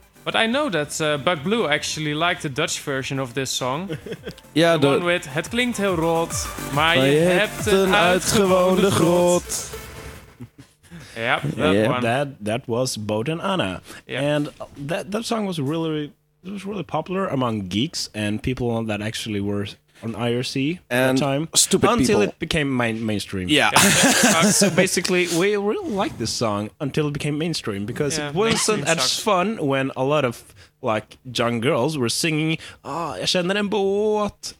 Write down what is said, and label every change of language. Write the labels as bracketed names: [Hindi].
[English] But I know that Buck Blue actually liked the Dutch version of this song. Yeah, the one with [Dutch] Het klinkt heel rot, maar je hebt een uitgewoonde grot. [English] Yep, that one. That was Boat and Anna. Yep. And that song was really popular among geeks and people that actually were on IRC and at the time. Stupid until people. It became mainstream. Yeah. So basically, we really liked this song until it became mainstream because it wasn't as fun when a lot of like young girls were singing, [Swedish] "Ah, jag känner en båt."